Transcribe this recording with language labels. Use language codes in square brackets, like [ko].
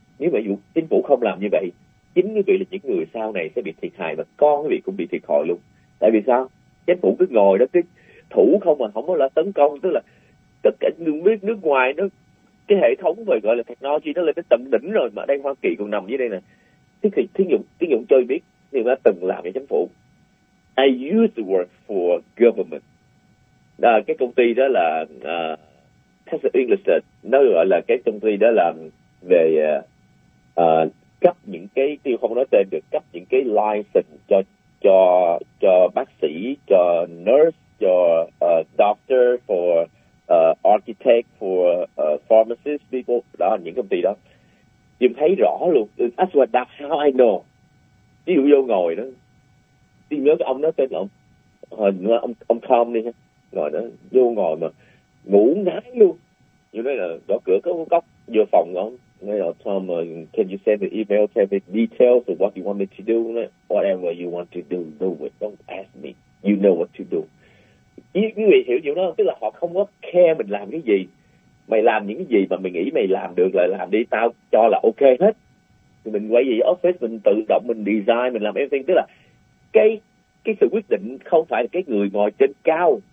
[vi] Nếu mà dù chính phủ không làm như vậy, chính quý vị là những người sau này sẽ bị thiệt hại và con quý vị cũng bị thiệt hại luôn. Tại vì sao? Chính phủ cứ ngồi đó, cứ thủ không mà không có là tấn công. Tức là tất cả những nước, nước ngoài, nó cái hệ thống về gọi là technology nó lên tới tận đỉnh rồi mà đang Hoa Kỳ còn nằm dưới đây nè. Thí dụ chơi biết, nhưng mà từng làm cho chính phủ. [en] I used to work for government. [vi] À, cái công ty đó là Texas Instruments, nó gọi là cái công ty đó làm về cấp những cái, tôi không nói tên được, cấp những cái license cho bác sĩ, cho nurse, cho doctor, [en] for architect, for pharmacist people, [vi] đó những công ty đó. Nhưng thấy rõ luôn, [en] that's what, that's how I know. [vi] Ví dụ vô ngồi đó, tôi nhớ cái ông nói tên là ông Tom đi ha. Ngồi đó, vô ngồi mà ngủ ngáy luôn. Như thế là gõ cửa có một cốc vô phòng đó. Nói là [en] Tom, can you send the email, can the details of what you want me to do? Whatever you want to do, do it. Don't ask me. You know what to do. [vi] Những người hiểu điều đó, tức là họ không có care mình làm cái gì. Mày làm những cái gì mà mày nghĩ mày làm được là làm đi, tao cho là ok hết. Thì mình quay về office, mình tự động, mình design, mình làm everything. Tức là cái sự quyết định không phải là cái người ngồi trên cao.